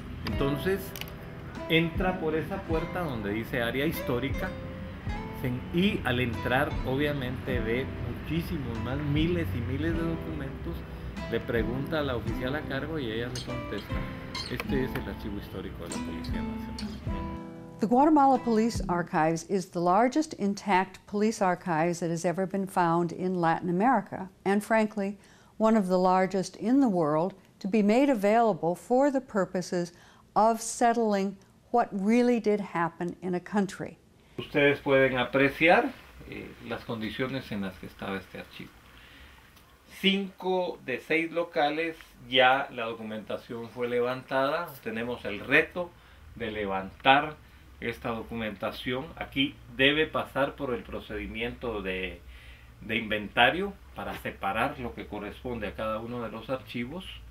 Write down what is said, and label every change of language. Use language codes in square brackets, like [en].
[es] Entonces entra por esa puerta donde dice área histórica y al entrar obviamente ve muchísimos más, miles y miles de documentos, le pregunta a la oficial a cargo y ella le contesta: este es el archivo histórico de la Policía Nacional. [en] The Guatemala Police Archives is the largest intact police archives that has ever been found in Latin America, and frankly, one of the largest in the world to be made available for the purposes of settling what really did happen in a country. [es] Ustedes pueden apreciar las condiciones en las que estaba este archivo. 5 de 6 locales ya la documentación fue levantada. Tenemos el reto de levantar esta documentación. Aquí debe pasar por el procedimiento de inventario para separar lo que corresponde a cada uno de los archivos.